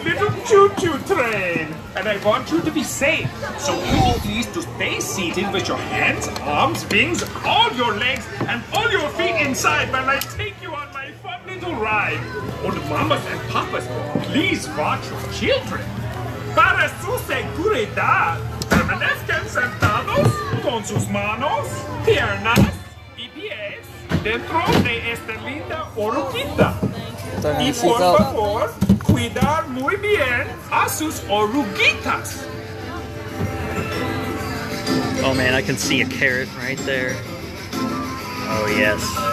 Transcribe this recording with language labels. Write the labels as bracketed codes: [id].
[en] I want you to be safe, so please, please to stay seated with your hands, arms, wings, all your legs, and all your feet inside while I take you on my fun little ride. Old mamas and papas, please watch your children. [es] para su seguridad. Permanezcan sentados con sus manos, piernas y pies dentro de esta linda oruguita. Y por favor, cuidar muy bien a sus oruguitas. [en] Oh man, I can see a carrot right there. Oh yes.